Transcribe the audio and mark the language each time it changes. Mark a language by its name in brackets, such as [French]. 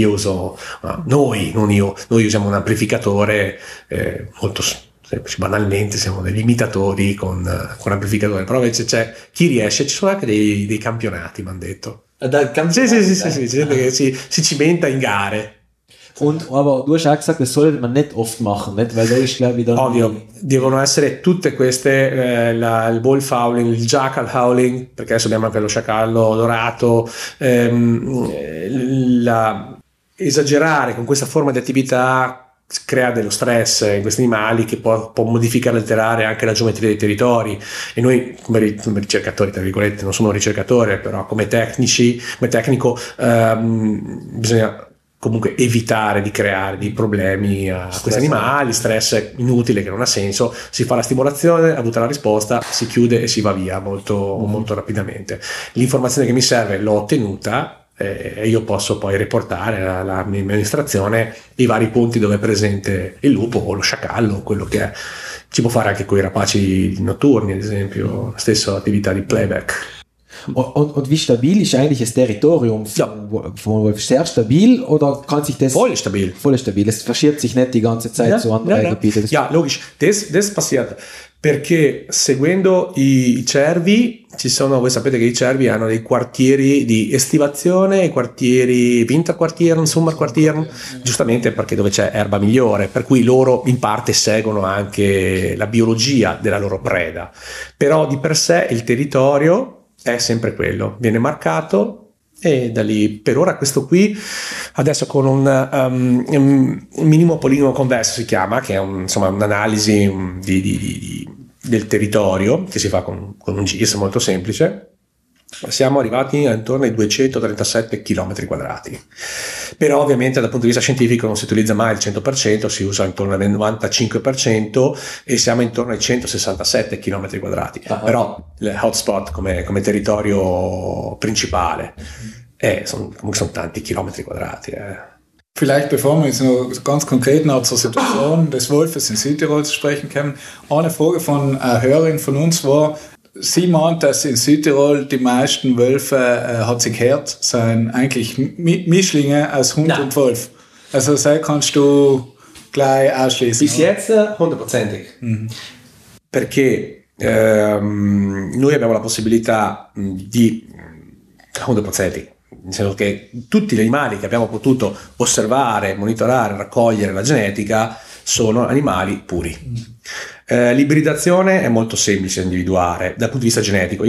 [Italian] Io uso, noi usiamo un amplificatore molto semplice, banalmente siamo degli imitatori con amplificatore, però invece c'è chi riesce, ci sono anche dei campionati, mi hanno detto. Dal campionato? Sì, c'è gente che si cimenta in gare. [German] Und, aber du hast auch gesagt, das sollte man nicht oft machen, nicht? Weil da ist, glaube ich, dann. [Italian] Ovvio, devono essere tutte queste, il wolf howling, il jackal howling, perché adesso abbiamo anche lo sciacallo dorato, esagerare con questa forma di attività crea dello stress in questi animali che può modificare e alterare anche la geometria dei territori, e noi come ricercatori, tra virgolette, non sono un ricercatore, però come tecnico bisogna comunque evitare di creare dei problemi a questi animali, stress inutile che non ha senso, si fa la stimolazione, avuta la risposta, si chiude e si va via molto, molto rapidamente. L'informazione che mi serve l'ho ottenuta e io posso poi riportare alla mia amministrazione i vari punti dove è presente il lupo o lo sciacallo, quello che è. Ci può fare anche con i rapaci notturni, ad esempio, la stessa attività di playback. [German] Und wie stabil ist eigentlich das Territorium von Wolf? Sehr stabil oder kann sich das... Voll stabil. Voll stabil. Es verschiebt sich nicht die ganze Zeit zu anderen Gebieten. Ja, logisch. Das passiert, [Italian] perché seguendo i cervi, ci sono, voi sapete che i cervi hanno dei quartieri di estivazione, i quartieri [German] Winterquartieren, Sommerquartieren, [Italian] giustamente perché dove c'è erba migliore, per cui loro in parte seguono anche la biologia della loro preda. Però di per sé il territorio è sempre quello, viene marcato e da lì, per ora questo qui, adesso con un minimo poligono convesso si chiama, che è insomma un'analisi del territorio che si fa con un GIS molto semplice, siamo arrivati intorno ai 237 km quadrati, però ovviamente dal punto di vista scientifico non si utilizza mai il 100%, si usa intorno al 95% e siamo intorno ai 167 km quadrati, però il hotspot come territorio principale sono tanti chilometri quadrati. [German] Vielleicht bevor wir jetzt noch ganz konkret noch zur Situation des Wolfes in Südtirol zu sprechen kommen, eine Frage von einer Hörerin von uns war, sie meint, dass in Südtirol die meisten Wölfe, hat sie gehört, sind eigentlich Mischlinge aus Hund und Wolf. Also das kannst du gleich ausschließen. Bis jetzt hundertprozentig. [Italian] Perché noi abbiamo la possibilità di 100%, nel senso che tutti gli animali che abbiamo potuto osservare, monitorare, raccogliere la genetica sono animali puri. L'ibridazione è molto semplice da individuare dal punto di vista genetico.